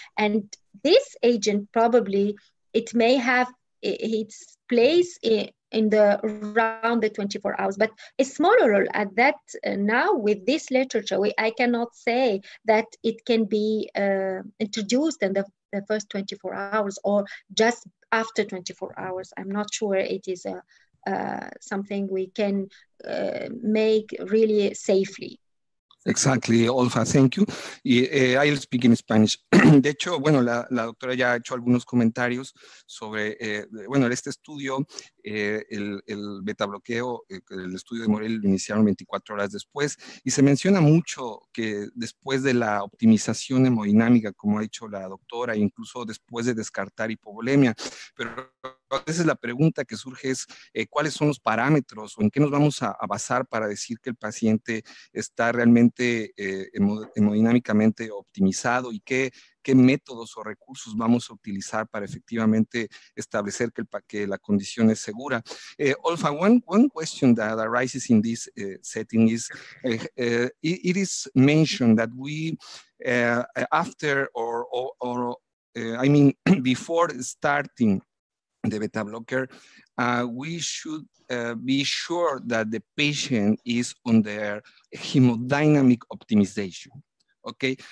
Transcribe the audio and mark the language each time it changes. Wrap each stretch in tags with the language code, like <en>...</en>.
<en>And this agent probably, it may have its place in the around the 24 hours, but a small olol at that now with this literature, I cannot say that it can be introduced in the first 24 hours or just after 24 hours. I'm not sure it is something we can make really safely. Exactly, Olfa, thank you. Y, I'll speak in Spanish.</en> <es>De hecho, bueno, la doctora ya ha hecho algunos comentarios sobre, bueno, este estudio, el beta bloqueo, el estudio de Morel iniciaron 24 horas después, y se menciona mucho que después de la optimización hemodinámica, como ha dicho la doctora, incluso después de descartar hipovolemia, pero a veces la pregunta que surge es ¿cuáles son los parámetros o en qué nos vamos a basar para decir que el paciente está realmente hemodinámicamente optimizado y qué métodos o recursos vamos a utilizar para efectivamente establecer que la condición es segura?</es> <en>Olfa, one question that arises in this setting is it is mentioned that we after or before starting the beta blocker, we should be sure that the patient is on their hemodynamic optimization, okay?</en>